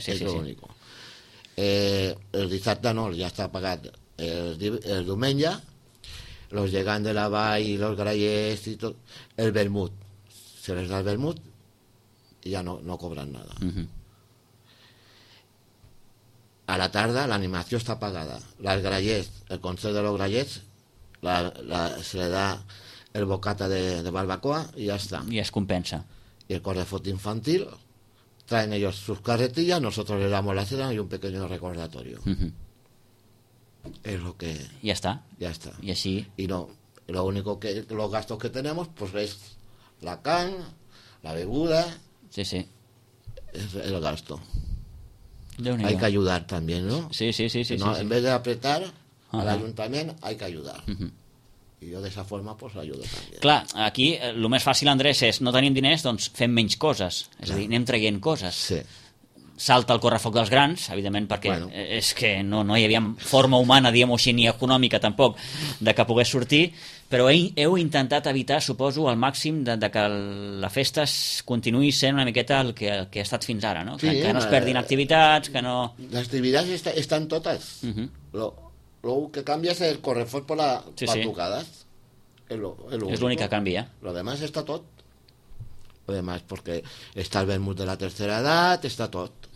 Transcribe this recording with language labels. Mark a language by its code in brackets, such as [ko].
[ca] És l'únic. El dissabte no, ja està pagat el diumenge, [es] los llegan de [ca] la vall i los grallers i tot, el vermut, [es] se les da el vermut [ca] i ja no [es] cobran nada. [ca] A la tarda l'animació està pagada, [es] las grallers, [ca] el consell de los grallers, [es] se le da [ca] el bocata de barbacoa i ja està. I es compensa. I el cor de foto infantil... [es] Traen ellos sus carretillas, nosotros les damos la cena y un pequeño recordatorio. Es lo que... Ya está. Y así... Y no, lo único que... Los gastos que tenemos, pues es la can, [ca] la bebuda... [es] Sí. Es el gasto. De hay que ayudar también, ¿no? Sí. No, sí. En vez de apretar al ayuntamiento, hay que ayudar. Y yo de esa forma, pues ayudo también. [ca] Clar, aquí el més fàcil, Andrés, és no tenim diners, doncs fem menys coses. És a dir, anem traient coses. Sí. Salta el correfoc dels grans, evidentment, perquè és que no hi havia forma humana, diguem-ho així, ni econòmica tampoc, de que pogués sortir. Però heu intentat evitar, suposo, al màxim de que la festa continuï sent una miqueta el que ha estat fins ara, no? Sí, que no es perdin activitats, que no... Les activitats estan totes. [es] Lo que cambia es el correfoc por las batucadas. Es lo único que cambia. Lo demás está [ca] tot. [es] Lo demás, porque está el vermut de la tercera edad, está [ca] tot.